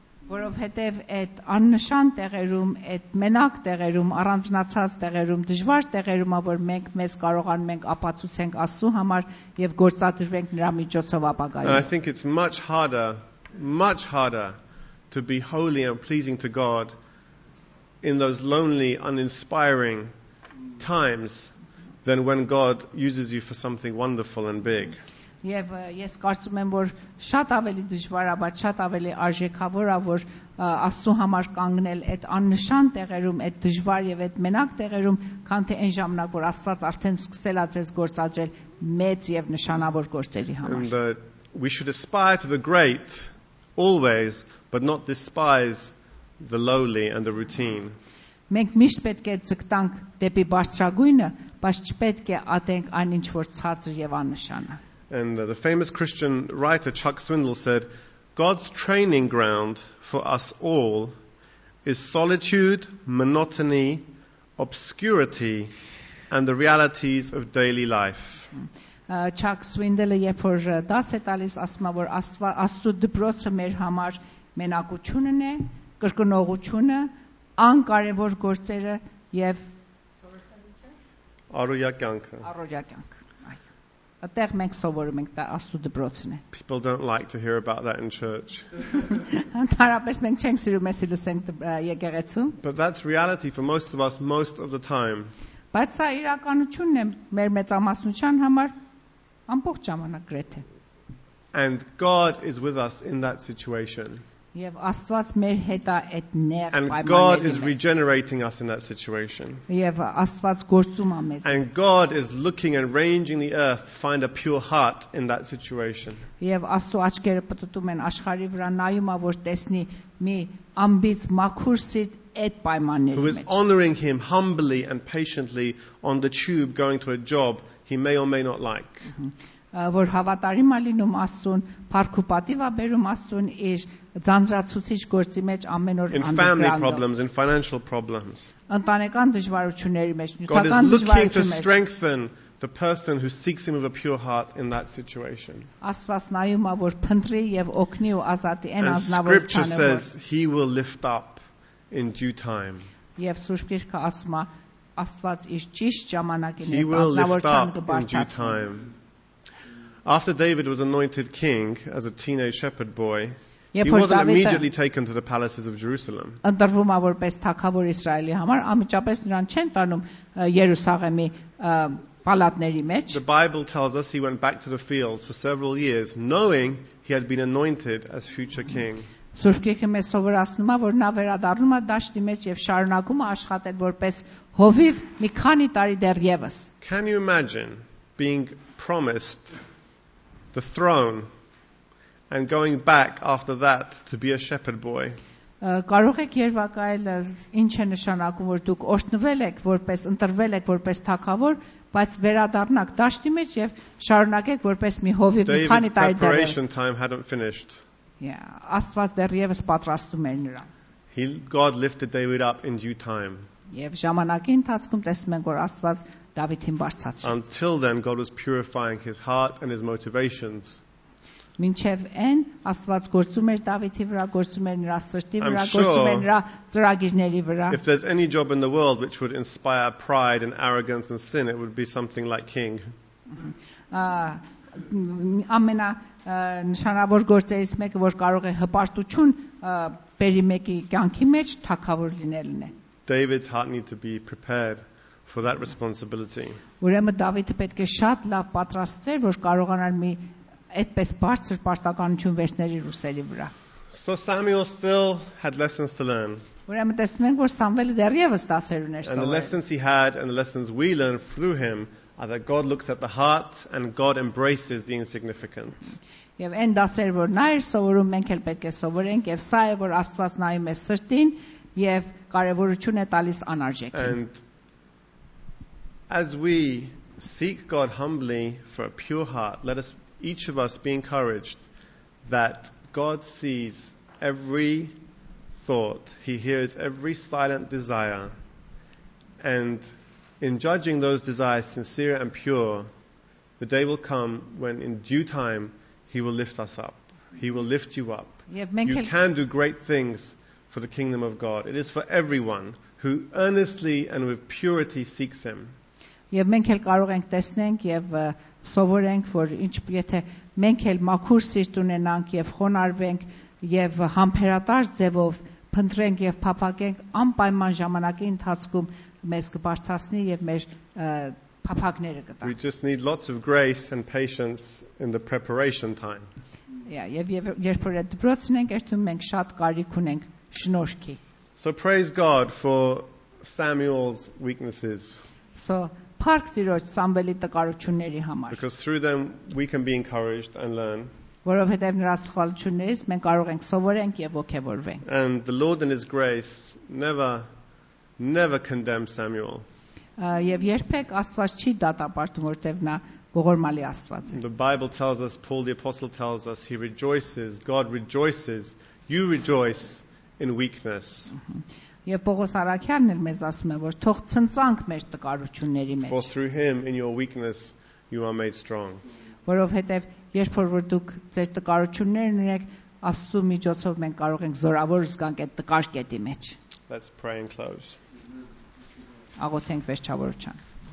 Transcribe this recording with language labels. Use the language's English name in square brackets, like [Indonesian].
[Armenian] Որովհետև այդ աննշան տեղերում, այդ մենակ տեղերում, առանձնացած տեղերում, դժվար տեղերում, որ մենք մեզ կարողան մենք ապացուցենք Աստծու համար եւ գործադրվենք նրա միջոցով ապագայում. [English] I think it's much harder to be holy and pleasing to God in those lonely, uninspiring times than when God uses you for something wonderful and big. [Armenian] Եվ ես կարծում եմ, որ շատ ավելի դժվար է, բայց շատ ավելի արժեքավոր է, որ Աստծու համար կանգնել այդ աննշան տեղերում, այդ դժվար եւ այդ մենակ տեղերում, քան թե այն ժամանակ, որ Աստված արդեն սկսել է ձեզ գործադրել մեծ եւ նշանավոր գործերի համար։ [English] And we should aspire to the great always, but not despise the lowly and the routine. [Armenian] Մենք միշտ պետք է ձգտանք դեպի բարձրագույնը, բայց չպետք է ատենք այն, ինչ որ ցածր եւ աննշանը։ [English] And the famous Christian writer Chuck Swindoll said, God's training ground for us all is solitude, monotony, obscurity, and the realities of daily life. [Armenian] Chuck Swindoll-ը երբ որ դաս է տալիս, ասում է, որ Աստծո դպրոցը մեր համար մենակությունն է, կրկնողությունը, անկարևոր գործերը եւ առօրյականքը։ Առօրյականքը։ Այդտեղ մենք սովորում ենք, դա Աստու դպրոցն է։ [English] People don't like to hear about that in church. [Armenian] Անտարապես մենք չենք սիրում էսի լսենք եկեղեցում։ [English] But that's reality for most of us most of the time. [Armenian] Բայց սա իրականությունն է մեր մեծամասնության համար ամբողջ ժամանակ գրեթե։ [English] And God is with us in that situation. [Armenian] Եվ Աստված մեր հետ է այդ նեղ պայմաններում։ [English] And God is regenerating us in that situation. [Armenian] Եվ Աստված գործում է մեզ։ [English] And God is looking and ranging the earth to find a pure heart in that situation. [Armenian] Եվ Աստու աչքերը պտտում են աշխարհի վրա, նայում է, որ տեսնի մի ամբից մաքուր սիրտ այդ պայմաններում։ [English] Who is honoring him humbly and patiently on the tube going to a job he may or may not like. [Armenian] Որ հավատարիմ է լինում Աստուն, փառք ու պատիվ է բերում Աստուն իր ձանձրացուցիչ գործի մեջ ամեն օր անդրադառնալ. [English] In family problems, in financial problems. [Armenian] Ընտանեկան դժվարությունների մեջ, նյութական դժվարությունների մեջ. [English] God is looking to strengthen the person who seeks him with a pure heart in that situation. [Armenian] Աստված նայում է, որ փնտրի եւ օգնի ու ազատի այն ազնվականը. [English] Scripture says he will lift up in due time. [Armenian] Եվ Սուրբ Գիրքը ասում է, Աստված իր ճիշտ ժամանակին ազնվականը կբարձրացնի. [English] After David was anointed king as a teenage shepherd boy, he wasn't immediately taken to the palaces of Jerusalem. [Armenian] Ընդառվում ավոր պես թագավոր Իսրայելի համար անմիջապես նրան չեն տանում Երուսաղեմի պալատների մեջ. [English] The Bible tells us he went back to the fields for several years knowing he had been anointed as future king. [Armenian] Սուրբ Գիրքը մեզ սովորացնում է, որ նա վերադառնում է դաշտի մեջ եւ շարունակում է աշխատել որպես հովիվ մի քանի տարի դեռևս. [English] Can you imagine being promised the throne and going back after that to be a shepherd boy? [Armenian] Կարող եք երևակայել ինչ է նշանակում, որ դուք օրտնվել եք որպես ընտրվել եք որպես թագավոր, բայց վերադառնաք դաշտի մեջ եւ շարունակեք որպես մի հովիվ մի քանի տարի դեռ։ [English] Preparation time hadn't finished. [Armenian] Yeah, Աստված դեռևս պատրաստում էր նրան. [English] He God lifted David up in due time. [Armenian] Եվ ժամանակի ընթացքում տեսնում ենք, որ Աստված Դավիթին բարձրացրեց. [English] Until then God was purifying his heart and his motivations. [Armenian] Մինչև այն Աստված գործում էր Դավիթի վրա, գործում էր նրա սրտի վրա, գործում էր նրա ծրագիրների վրա. [English] If there's any job in the world which would inspire pride and arrogance and sin, it would be something like king. [Armenian] Ամենա նշանավոր գործերից մեկը, որ կարող է հպարտություն բերի մեկի կյանքի մեջ, թագավոր լինելն է. [English] David's heart needed to be prepared for that responsibility. [Armenian] Ուրեմն Դավիթը պետք է շատ լավ պատրաստվեր, որ կարողանար մի այդպես բարձր պարտականություն վերցնել իր ուսերի վրա. [English] So Samuel still had lessons to learn. [Armenian] Ուրեմն տեսնում ենք, որ Սամվելը դեռևս դասեր ուներ [English] Սամվել. And the lessons he had and the lessons we learn through him are that God looks at the heart and God embraces the insignificant. [Armenian] Եվ այն դասեր, որ նա էր սովորում, մենք էլ պետք է սովորենք, եւ սա է, որ Աստված նայում է սրտին եւ կարեւորություն է տալիս անարժեքին. [English] As we seek God humbly for a pure heart, let us each of us be encouraged that God sees every thought, He hears every silent desire, and in judging those desires sincere and pure, the day will come when in due time He will lift us up. He will lift you up. You can do great things for the kingdom of God. It is for everyone who earnestly and with purity seeks Him. [Armenian] Եվ մենք էլ կարող ենք տեսնենք եւ սովորենք, որ ինչ եթե մենք էլ մաքուր սիրտ ունենանք եւ խոնարհվենք եւ համբերատար ձևով փնտրենք եւ փափակենք, անպայման ժամանակի ընթացքում մեզ կբարձրացնի եւ մեր փափակները կտա։ [English] We just need lots of grace and patience in the preparation time. [Armenian] Yeah, եւ երբ որ դրոցն ենք երթում, մենք շատ կարիք ունենք շնորհքի։ [English] So praise God for Samuel's weaknesses. [Armenian] So Փառք Տիրոջ Սամվելի տկարությունների համար. [English] Because through them we can be encouraged and learn. [Armenian] Որովհետև նրա սխալություններից մենք կարող ենք սովորենք եւ ոգևորվենք. [English] And the Lord in his grace never condemned Samuel. [Armenian] Եվ երբեք Աստված չի դատապարտում, որովհետև նա ողորմալի Աստված է. [English] The Bible tells us, Paul the apostle tells us, he rejoices, God rejoices, you rejoice in weakness. [Armenian] Եվ Պողոս Արաքյանն էլ մեզ ասում է, որ թող ցնցանք մեր տկարությունների մեջ։ [English] For through him in your weakness you are made strong. [Armenian] Որովհետև երբ որ դուք ձեր տկարություններն ունեք, Աստծո միջոցով մենք կարող ենք զորավոր զգանք այդ տկար կետի մեջ։ [English] Let's pray and close. [Armenian] Աղոթենք վերջավորության։